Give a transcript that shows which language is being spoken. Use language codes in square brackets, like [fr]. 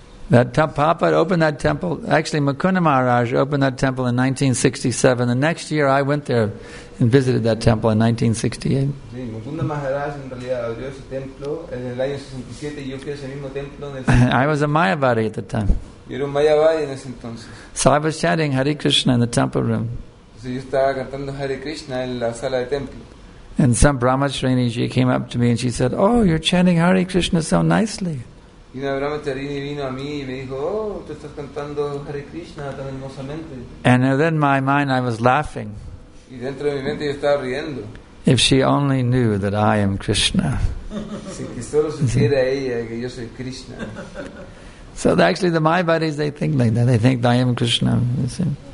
[en] That Papa opened that temple. Actually, Mukunda Maharaj opened that temple in 1967. The next year, I went there and visited that temple in 1968. I was a Mayavadi at the time. [es] Era un Mayavadi en ese entonces. [en] So I was chanting Hare Krishna in the temple room. [es] Yo estaba cantando Hare Krishna en la sala de templo. [en] And some Brahmacharini, she came up to me and she said, oh, you're chanting Hare Krishna so nicely. [es] Y una Brahmacharini vino a mí y me dijo, oh, tú estás cantando Hare Krishna tan hermosamente. [en] And then my mind, I was laughing. [es] Y dentro de mi mente yo estaba riendo. [en] If she only knew that I am Krishna. [es] Si que solo supiera ella que yo soy Krishna. [en] So actually the Mayavadis, they think like that. They think I am Krishna, you see.